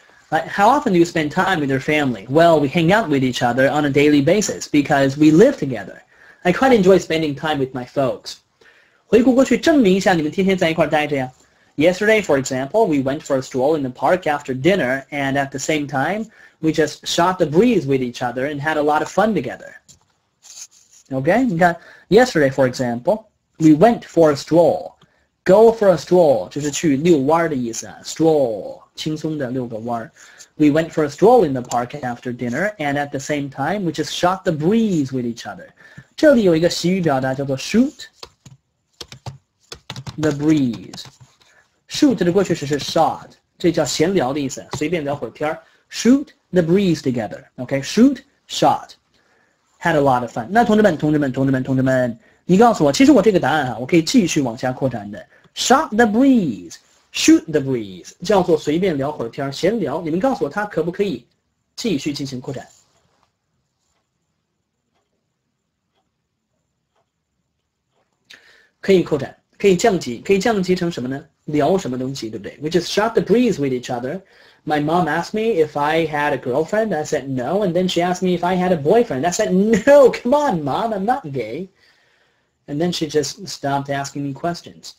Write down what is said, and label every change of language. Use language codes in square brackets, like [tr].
[en] Like, how often do you spend time with your family? Well, we hang out with each other on a daily basis because we live together. I quite enjoy spending time with my folks. [zh] 回顾过去，证明一下你们天天在一块待着呀。 [en] Yesterday, for example, we went for a stroll in the park after dinner, and at the same time, we just shot the breeze with each other and had a lot of fun together. Okay, [zh] 你看 [en] ，yesterday, for example, we went for a stroll. Go for a stroll [zh] 就是去遛弯的意思啊 ，stroll 轻松的遛个弯。 [en] We went for a stroll in the park after dinner, and at the same time, we just shot the breeze with each other. [zh] 这里有一个习语表达叫做 [en] shoot the breeze. [zh] Shoot 的过去式是 shot， 这叫闲聊的意思，随便聊会儿天 [en] Shoot the breeze together， [zh] OK？ [en] Shoot shot， had a lot of fun。 [zh] 那同志们，你告诉我，其实我这个答案啊，我可以继续往下扩展的。 [en] Shot the breeze， shoot the breeze， [zh] 叫做随便聊会儿天闲聊。你们告诉我，它可不可以继续进行扩展？可以扩展，可以降级，可以降级成什么呢？聊什么东西，对不对 [en] ？We just shot the breeze with each other. My mom asked me if I had a girlfriend. I said no, and then she asked me if I had a boyfriend. I said no. Come on, mom, I'm not gay. And then she just stopped asking me questions.